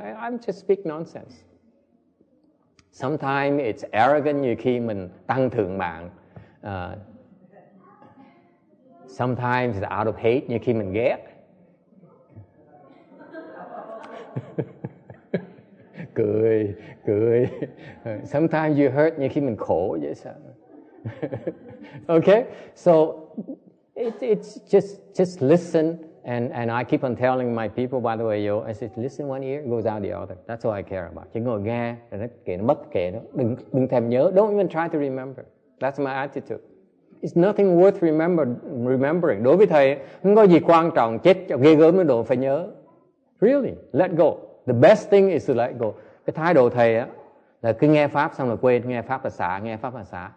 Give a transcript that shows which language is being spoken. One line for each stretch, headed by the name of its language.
English: I'm just speak nonsense. Sometimes it's arrogant
Vietnamese: như khi mình tăng thượng mạng.
English: Sometimes it's out of hate
Vietnamese: như khi mình ghét. cười.
English: Sometimes you hurt
Vietnamese: như khi mình khổ vậy sao?
English: Okay, so it's just listen and I keep on telling my people, by the way, yo, I said listen one ear goes out the other. That's all I care about.
Vietnamese: Chỉ ngồi nghe rồi nó mất kệ nó, đừng thèm nhớ.
English: Don't even try to remember. That's my attitude. It's nothing worth remembering.
Vietnamese: Đối với thầy không có gì quan trọng, chết ghê gớm mới đủ phải nhớ.
English: Really, let go. The best thing is to let go.
Vietnamese: Cái thái độ thầy á là cứ nghe pháp xong là quên, nghe pháp là xả.